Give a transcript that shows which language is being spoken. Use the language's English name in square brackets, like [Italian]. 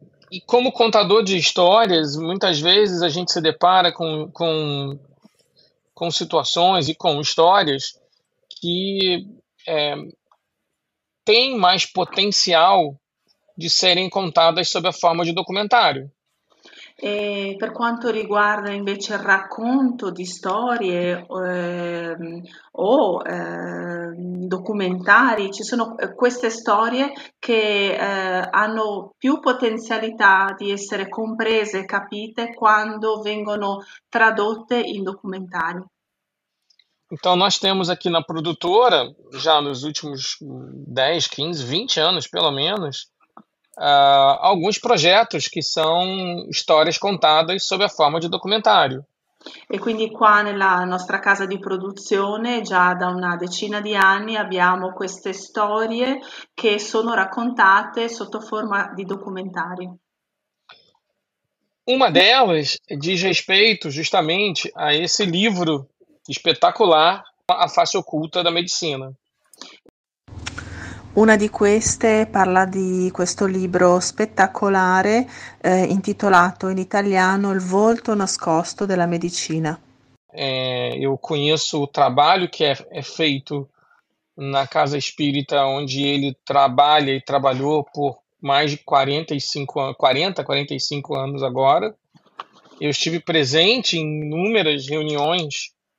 [Portuguese] E como contador de histórias, muitas vezes a gente se depara com situações e com histórias que têm mais potencial de serem contadas sob a forma de documentário. [Italian] E per quanto riguarda invece il racconto di storie o documentari, ci sono queste storie che hanno più potenzialità di essere comprese e capite quando vengono tradotte in documentari. [Portuguese] Então, nós temos aqui na produtora, já nos últimos 10, 15, 20 anos, pelo menos, alguns projetos que são histórias contadas sob a forma de documentário. [Italian] E quindi qua nella nostra casa di produzione, già da una decina di anni, abbiamo queste storie che sono raccontate sotto forma di documentari. [Portuguese] Uma delas diz respeito justamente a esse livro espetacular, A Face Oculta da Medicina. [Italian] Una di queste parla di questo libro spettacolare, intitolato in italiano Il volto nascosto della medicina. [Portuguese] Eu conheço o trabalho che è feito na casa espírita, onde ele trabalha e trabalhou por mais de 45 anos, 40, 45 anos agora. Eu estive presente em inúmeras reuniões